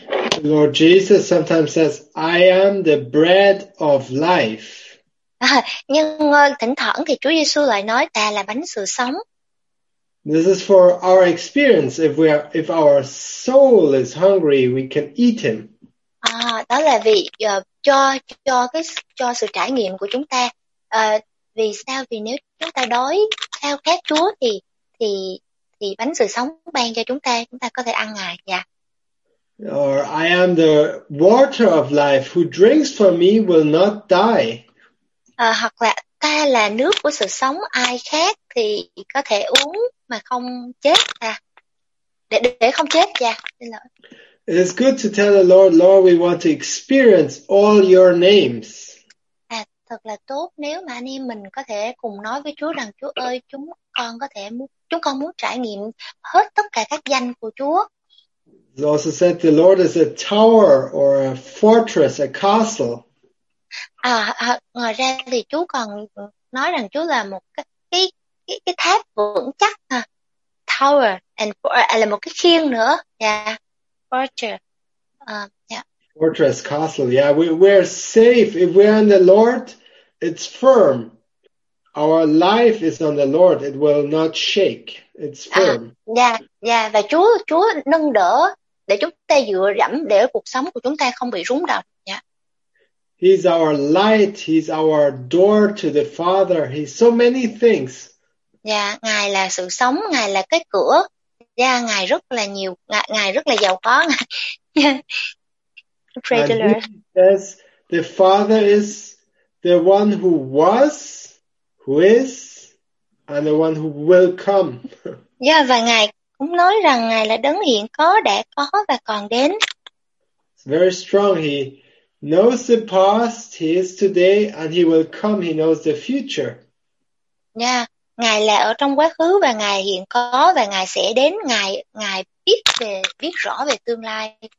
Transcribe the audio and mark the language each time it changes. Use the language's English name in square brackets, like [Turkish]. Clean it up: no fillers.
[English] The Lord Jesus sometimes says, I am the bread of life. [Vietnamese] Nhưng thỉnh thoảng thì Chúa Giê-xu lại nói ta là bánh sự sống. [English] This is for our experience. If our soul is hungry, we can eat him. [Vietnamese] À, đó là vì cho sự trải nghiệm của chúng ta. Vì sao? Vì nếu chúng ta đói, khao khát Chúa thì bánh sự sống ban cho chúng ta có thể ăn ngài. Dạ. [English] Or I am the water of life, who drinks from me will not die. [Vietnamese] Hoặc là ta là nước của sự sống, ai khác thì có thể uống mà không chết à. Để không chết dạ. [English] It is good to tell the Lord, Lord, we want to experience all your names. [Vietnamese] À, thật là tốt nếu mà anh em mình có thể cùng nói với Chúa rằng Chúa ơi, chúng con muốn trải nghiệm hết tất cả các danh của Chúa. [English] It also said the Lord is a tower or a fortress, a castle. [Vietnamese] Ngoài ra thì Chúa còn nói rằng Chúa là một cái tháp vững chắc ha. [English] Tower and [Vietnamese] là một cái khiên nữa. [English] Yeah. Fortress, castle. Yeah, we're safe. If we're in the Lord, it's firm. Our life is on the Lord. It will not shake. It's firm. Yeah. [Vietnamese] Và Chúa nâng đỡ để chúng ta dựa dẫm để cuộc sống của chúng ta không bị rúng động. [English] Yeah. He's our light. He's our door to the Father. He's so many things. [Vietnamese] Yeah, Ngài là sự sống. Ngài là cái cửa. Yeah, Ngài rất là nhiều, Ngài rất là giàu có. [English] Pray to Lord. Says the Father is the one who was, who is, and the one who will come. [Vietnamese] Yeah, và Ngài cũng nói rằng Ngài là đấng hiện có, đã có và còn đến. [English] It's very strong. He knows the past, he is today, and he will come. He knows the future. Yeah. [Vietnamese] Ngài là ở trong quá khứ và Ngài hiện có và Ngài sẽ đến. Ngài biết rõ về tương lai.